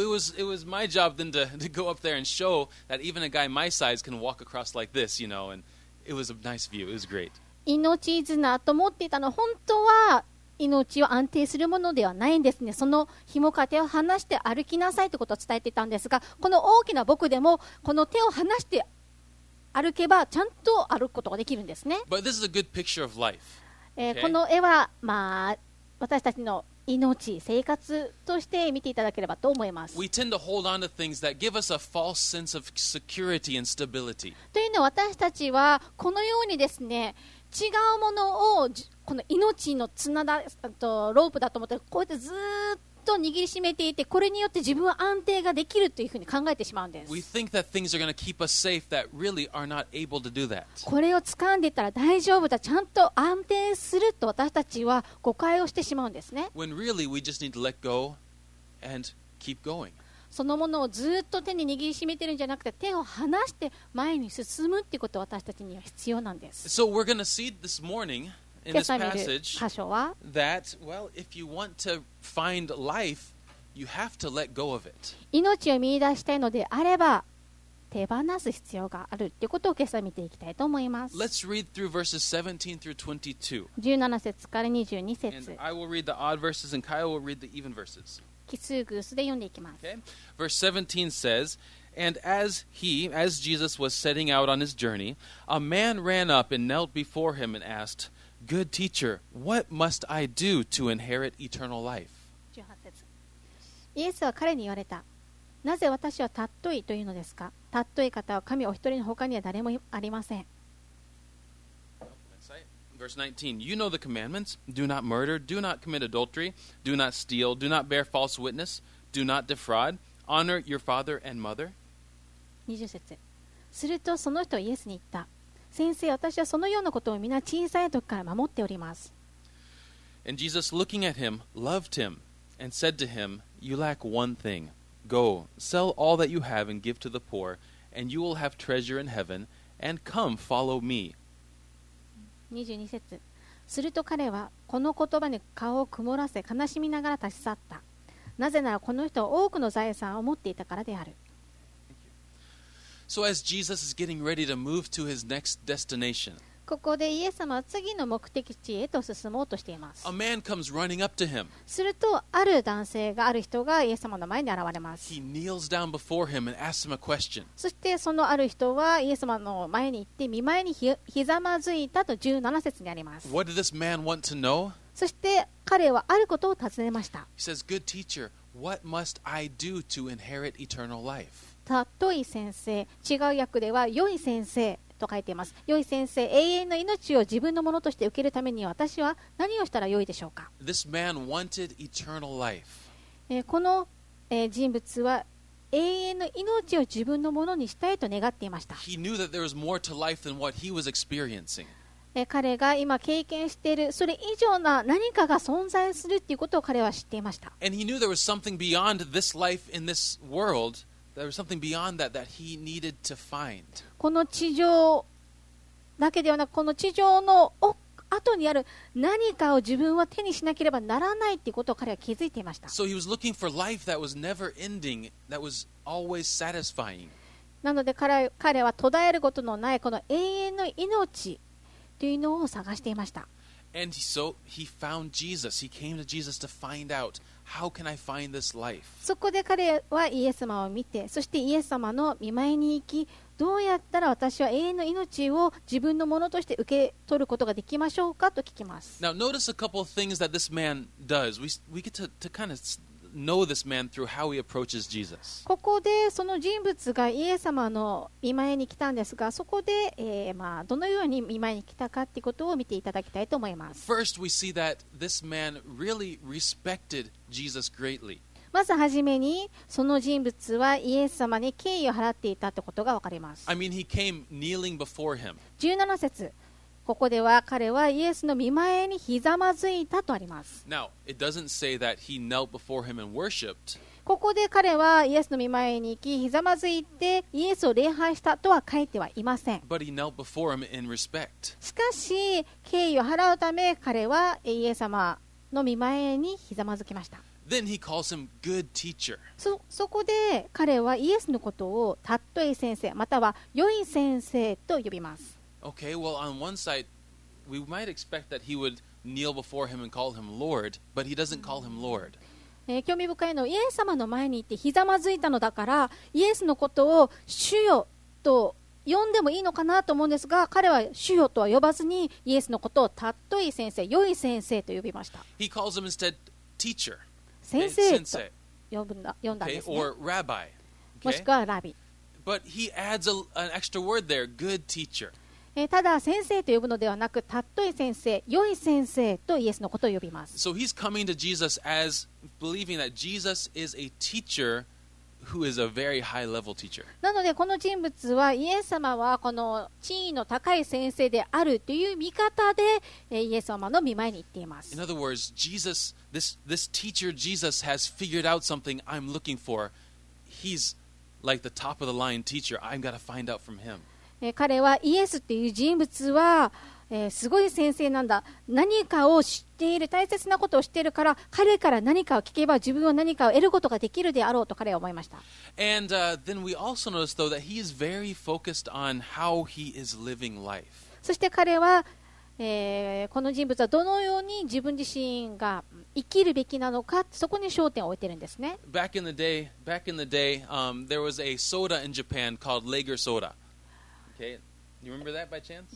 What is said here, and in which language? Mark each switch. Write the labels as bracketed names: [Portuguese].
[English] it was my job then to go up there and show that even a guy my size can walk across like this, you know, and it was a nice view. It was great. [Japanese] 命綱と思っていたの、本当は命を安定するものではないんですね。その紐から手を離して歩きなさいということを伝えていたんですが、この大きな僕でもこの手を離して歩けばちゃんと歩くことができるんですね。 [English] But this is a good picture of life. [Japanese] この絵はまあ私たちの命、生活として見ていただければと思います。 [English] We tend to hold on to things that give us a false sense of security and stability. [Japanese] というのは私たちはこのようにですね、違うものをこの命の綱だとロープだと思ってこうやってずっと握りしめていて、これによって自分は安定ができるというふうに考えてしまうんです。 [English] We think that things are going to keep us safe that really are not able to do that. [Japanese] これを掴んでいたら大丈夫だ、ちゃんと安定すると私たちは誤解をしてしまうんですね。 [English] When really we just need to let go and keep going. [Japanese] そのものをずっと手に握りしめてるんじゃなくて、手を離して前に進むってことは私たちには必要なんです。 [English] So we're going to see this morning. In this passage, that, well, if you want to find life, you have to let go of it. [Japanese] 命を見出したいのであれば、手放す必要があるということを今朝見ていきたいと思います。 [English] Let's read through verses 17 through 22. [Japanese] 17節から22節。 [English] And I will read the odd verses and Kyle will read the even verses. [Japanese] 奇数偶数で読んでいきます。 [English] Okay? Verse 17 says... And as he, as Jesus was setting out on his journey, a man ran up and knelt before him and asked, Good teacher, what must I do to inherit eternal life? [Japanese] 18節。イエスは彼に言われた。なぜ私はたっといというのですか？たっとい方は神お一人の他には誰もありません。 [English] Verse 19, you know the commandments. Do not murder, do not commit adultery, do not steal, do not bear false witness, do not defraud. Honor your father and mother. [Japanese] 20節。するとその人はイエスに言った。先生、私はそのようなことをみんな小さい時から守っております。 [English] And Jesus, looking at him, loved him, and said to him, You lack one thing. Go, sell all that you have and give to the poor, and you will have treasure in heaven, and come, follow me. [Japanese] 22節。すると彼はこの言葉に顔を曇らせ、悲しみながら立ち去った。なぜならこの人は多くの財産を持っていたからである。 [English] So as Jesus is getting ready to move to his next destination, [Japanese] ここでイエス様は次の目的地へと進もうとしています。 [English] A man comes running up to him. [Japanese] するとある男性がある人がイエス様の前に現れます。 [English] He kneels down before him and asks him a question. [Japanese] そしてそのある人はイエス様の前に行って御前にひざまずいたと17節にあります。 [English] What did this man want to know? [Japanese] そして彼はあることを尋ねました。 [English] He says, Good teacher, what must I do to inherit eternal life? [Japanese] たとい先生、違う訳では良い先生と書いています。良い先生、永遠の命を自分のものとして受けるために私は何をしたら良いでしょうか。 [English] This man wanted eternal life. [Japanese] この人物は永遠の命を自分のものにしたいと願っていました。 [English] He knew that there was more to life than what he was experiencing. [Japanese] 彼が今経験しているそれ以上な何かが存在するっていうことを彼は知っていました。 [English] And he knew there was something beyond this life in this world. There was something beyond that that he needed to find. [Japanese] この地上だけではなく、この地上の後にある何かを自分は手にしなければならないっていうことを彼は気づいていました。 [English] So he was looking for life that was never ending, that was always satisfying. [Japanese] なので彼は途絶えることのないこの永遠の命というのを探していました。 [English] And so he found Jesus. He came to Jesus to find out how can I find this life. [Japanese] そこで彼はイエス様を見て、そしてイエス様の御前に行き、どうやったら私は永遠の命を自分のものとして受け取ることができましょうかと聞きます。 [English] Now notice a couple of things that this man does. We get to kind of know this man through how he approaches Jesus. [Japanese] ここでその人物がイエス様の御前に来たんですが、そこで、まあ、どのように御前に来たかということを見ていただきたいと思います。 [English] First, we see that this man really respected Jesus greatly. [Japanese] まずはじめに、その人物はイエス様に敬意を払っていたということがわかります。 [English] I mean, he came kneeling before him. [Japanese] 17節。ここでは彼はイエスの御前にひざまずいたとあります。 [English] Now, it doesn't say that he knelt before him and worshipped. [Japanese] ここで彼はイエスの御前に行きひざまずいてイエスを礼拝したとは書いてはいません。 [English] But he knelt before him in respect. [Japanese] しかし敬意を払うため彼はイエス様の御前にひざまずきました。 [English] Then he calls him good teacher. [Japanese] そこで彼はイエスのことをたっとえ先生または良い先生と呼びます。 [English] Okay, well, on one side, we might expect that he would kneel before him and call him Lord, but he doesn't call him Lord. [Japanese] 興味深いのイエス様の前に行ってひざまずいたのだから、イエスのことを主よと呼んでもいいのかなと思うんですが、彼は主よとは呼ばずにイエスのことをたっとい先生、良い先生と呼びました。 [English] He calls him instead teacher. [Japanese] 先生と呼んだんですね。 [English] Okay, or rabbi. [Japanese] もしくはラビ。 [English] But he adds an extra word there, good teacher. [Japanese] ただ先生と呼ぶのではなくたっとえ先生、良い先生とイエスのことを呼びます。 [English] So he's coming to Jesus as believing that Jesus is a teacher who is a very high level teacher. [Japanese] なのでこの人物はイエス様はこの地位の高い先生であるという見方でイエス様の御前に行っています。 [English] In other words, Jesus, this teacher Jesus has figured out something I'm looking for. He's like the top of the line teacher. I've got to find out from him. [Japanese] 彼はイエスっていう人物は、すごい先生なんだ、何かを知っている、大切なことを知っているから彼から何かを聞けば自分は何かを得ることができるであろうと彼は思いました。 [English] And, then we also notice though that he is very focused on how he is living life. [Japanese] そして彼は、この人物はどのように自分自身が生きるべきなのか、そこに焦点を置いてるんですね。 [English] Back in the day, there was a soda in Japan called Lager Soda. Okay. You remember that by chance?